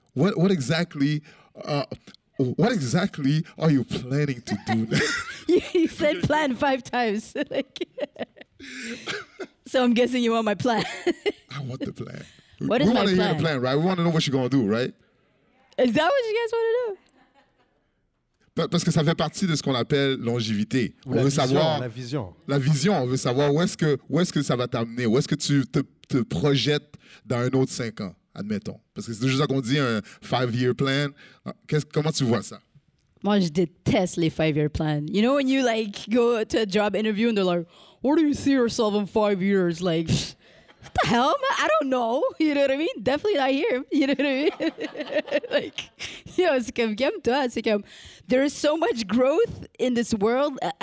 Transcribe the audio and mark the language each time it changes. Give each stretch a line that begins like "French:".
English: What exactly are you planning to do? You said plan 5 times. So I'm guessing you want my plan. I want the plan. What is my plan? We want to hear the plan, right? We want to know what you're going to do, right? Is that what you guys want to do?
French: Parce que ça fait partie de ce qu'on appelle longévité. On veut savoir la vision. La vision, on veut savoir où est-ce que ça va t'amener, où est-ce que tu te projettes dans un autre 5 ans, admettons. Parce que c'est toujours ça qu'on dit, un 5-year plan. Comment tu vois ça? Moi, je déteste les 5-year plans.
English: You know when you like go to a job interview and they're like, where do you see yourself in 5 years? Like, what the hell, man? I don't know. You know what I mean? Definitely not here. You know what I mean? Like, yo,
French: c'est comme, viens-toi, c'est comme...
English: There is so much growth in this world.